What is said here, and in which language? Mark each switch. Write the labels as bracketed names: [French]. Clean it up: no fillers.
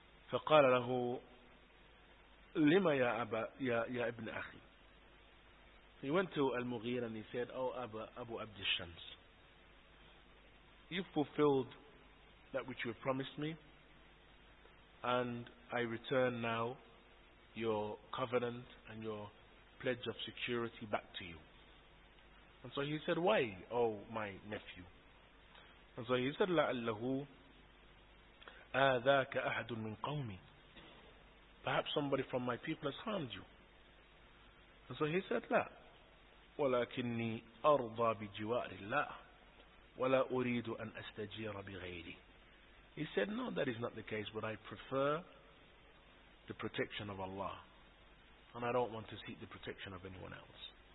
[Arabic] فقال له لما يا أبا يا ابن أخي. [English] He went to Al-Mughira and he said, Oh Abu Abd al-Shams, you fulfilled that which you have promised me, and I return now your covenant and your pledge of security back to you. And so he said, Why, O my nephew? And so he said, [Arabic] لَعَلَّهُ آذَاكَ أَحَدٌ مِّن قَوْمِي. [English] perhaps somebody from my people has harmed you. And so he said, [Arabic] لا ولكني أرضى بجوار الله ولا أريد أن أستجير بغيري. [English] He said, no, that is not the case, but I prefer the protection of Allah. And I don't want to seek the protection of anyone else.